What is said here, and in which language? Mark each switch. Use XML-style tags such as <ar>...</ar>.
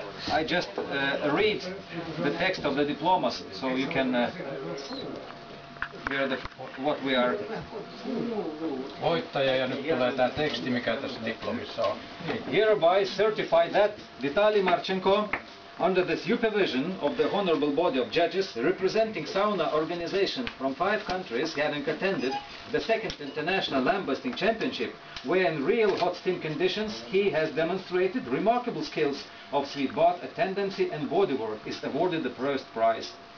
<en>I just read the text of the diplomas, so you can hear what we are.</en> <fi>Voittaja, ja nyt tulee tämä teksti, mikä tässä diplomissa on.</fi> <en>Hereby certify that Vitali Marchenko, under the supervision of the honorable body of judges representing sauna organizations from five countries, having attended the second international lambasting championship, where in real hot steam conditions he has demonstrated remarkable skills of sweet bath, a tendency and bodywork, is awarded the first prize.</en>